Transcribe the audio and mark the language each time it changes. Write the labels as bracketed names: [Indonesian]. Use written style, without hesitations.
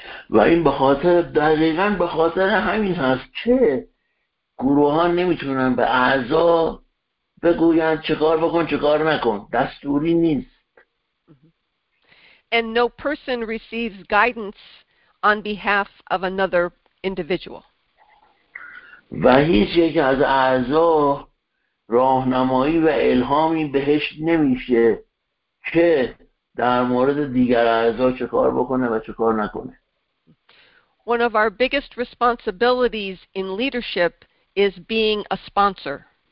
[Persian] و این به خاطر دقیقاً به خاطر همین هست که گروهان نمیتونن به اعضا بگوین چه کار بکن چه کار نکن. دستوری نیست. [English] And no person receives guidance on behalf of another individual. [Persian] و هیچ یک از اعضا راهنمایی و الهامی بهش نمیشه که در مورد دیگر اعضا چه کار بکنه و چه کار نکنه. [English] One of our biggest responsibilities in leadership is being a sponsor.